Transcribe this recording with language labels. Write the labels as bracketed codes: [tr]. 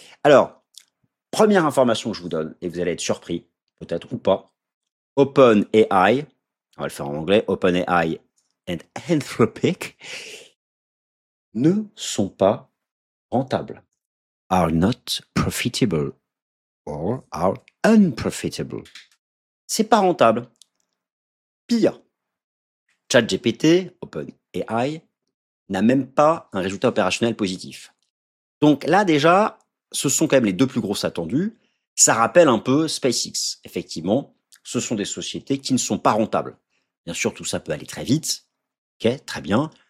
[fr] Alors, première information que je vous donne, et vous allez être surpris, peut-être ou pas, OpenAI, on va le faire en anglais, OpenAI and Anthropic, ne sont pas rentables. [en] Are not profitable or are unprofitable. [fr] C'est pas rentable. Pire, ChatGPT, OpenAI, n'a même pas un résultat opérationnel positif. Donc là déjà, ce sont quand même les deux plus grosses attendues. Ça rappelle un peu SpaceX. Effectivement, ce sont des sociétés qui ne sont pas rentables. Bien sûr, tout ça peut aller très vite. Ok, très bien.